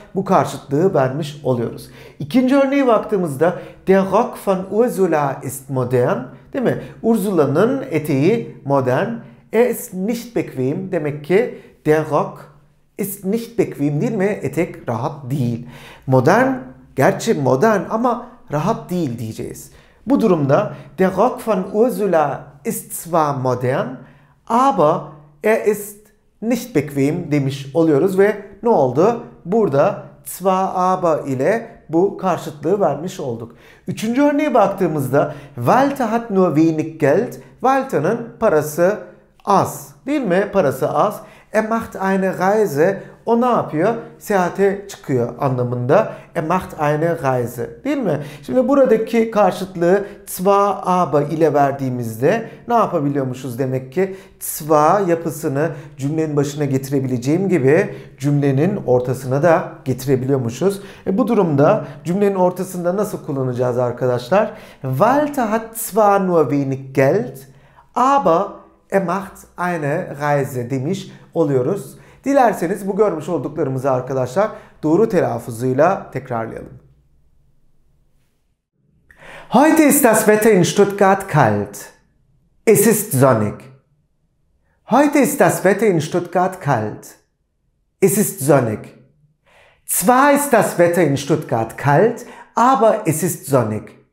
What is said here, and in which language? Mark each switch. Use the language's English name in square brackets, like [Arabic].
[Turkish] Bu karşıtlığı vermiş oluyoruz. İkinci örneğe baktığımızda [German] der Rock von Ursula ist modern. [Turkish] Değil mi? Ursula'nın eteği modern. [German] Er ist nicht bequem. [Turkish] Demek ki [German] der Rock ist nicht bequem [Turkish] değil mi? Etek rahat değil. Modern, gerçi modern ama rahat değil diyeceğiz. Bu durumda [German] der Rock von Ursula ist zwar modern, aber er ist nicht bequem [Turkish] demiş oluyoruz ve ne oldu? Burada zwar aber ile bu karşıtlığı vermiş olduk. Üçüncü örneğe baktığımızda [German] Walter hat nur wenig Geld. [Turkish] Walter'ın parası az. Değil mi? Parası az. [German] Er macht eine Reise. [Turkish] O ne yapıyor? Seyahate çıkıyor anlamında. [German] Er macht eine Reise. [Turkish] Değil mi? Şimdi buradaki karşıtlığı zwar aber ile verdiğimizde ne yapabiliyormuşuz demek ki? Zwar yapısını cümlenin başına getirebileceğim gibi cümlenin ortasına da getirebiliyormuşuz. Bu durumda cümlenin ortasında nasıl kullanacağız arkadaşlar? [German] Walter hat zwar nur wenig Geld, aber er macht eine Reise [Turkish] demiş oluyoruz. Dilerseniz bu görmüş olduklarımızı arkadaşlar doğru telaffuzuyla tekrarlayalım. [German] Heute ist das Wetter in Stuttgart kalt. Es ist sonnig. Heute ist das Wetter in Stuttgart kalt. Es ist sonnig. Zwar ist das Wetter in Stuttgart kalt, aber es ist sonnig.